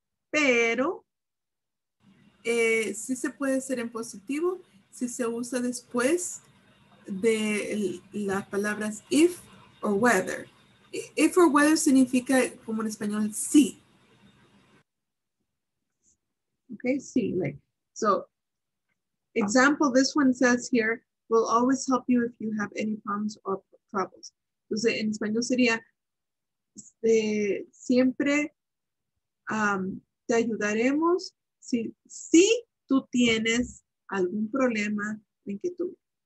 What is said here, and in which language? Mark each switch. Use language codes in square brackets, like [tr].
[es] Pero sí se puede hacer en positivo si se usa después de las palabras if or whether. If or whether significa como en español sí. [en] Okay, sí, like, so example, this one says here, we'll always help you if you have any problems or troubles. [es] Entonces, en español sería, siempre te ayudaremos si tú tienes algún problema en que tú.